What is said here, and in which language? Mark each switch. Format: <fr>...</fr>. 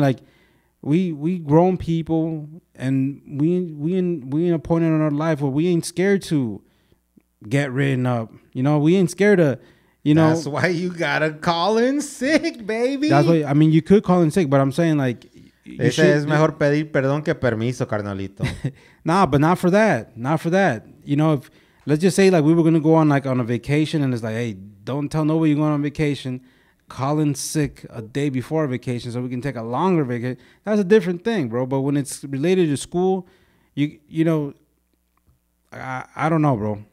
<en>Like, we grown people, and we in a point in our life where we ain't scared to get written up. You know, we ain't scared to, you know. That's why you got to call in sick, baby. That's why, I mean, you could call in sick, but I'm saying, like.</en> <es>Es mejor pedir perdón que permiso, carnalito.</es> <en>Nah, but not for that. Not for that. You know, if let's just say, like, we were going to go on, like, on a vacation, and it's like, hey, don't tell nobody you're going on vacation. Call in sick a day before vacation so we can take a longer vacation. That's a different thing, bro. But when it's related to school, you know, I don't know, bro.</en>